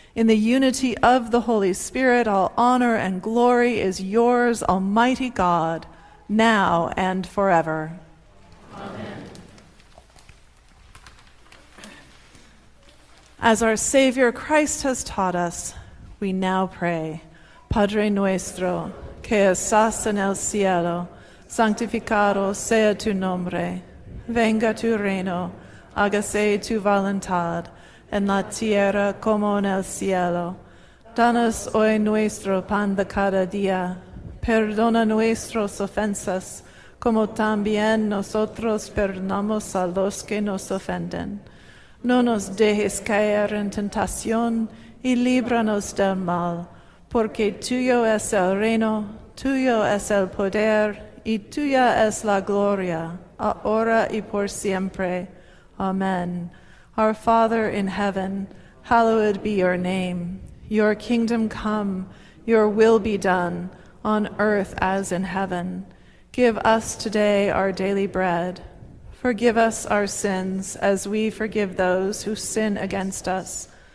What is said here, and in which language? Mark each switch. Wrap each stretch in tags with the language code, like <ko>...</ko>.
<en>In the unity of the Holy Spirit, all honor and glory is yours, Almighty God, now and forever. Amen. As our Savior Christ has taught us, we now pray.</en> <es>Padre nuestro, que estás en el cielo, santificado sea tu nombre. Venga tu reino, hágase tu voluntad, en la tierra como en el cielo. Danos hoy nuestro pan de cada día. Perdona nuestras ofensas, como también nosotros perdonamos a los que nos ofenden. No nos dejes caer en tentación, y líbranos del mal. Porque tuyo es el reino, tuyo es el poder, y tuya es la gloria, ahora y por siempre. Amen.</es> <en>Our Father in heaven, hallowed be your name. Your kingdom come, your will be done, on earth as in heaven. Give us today our daily bread. Forgive us our sins, as we forgive those who sin against us.</en>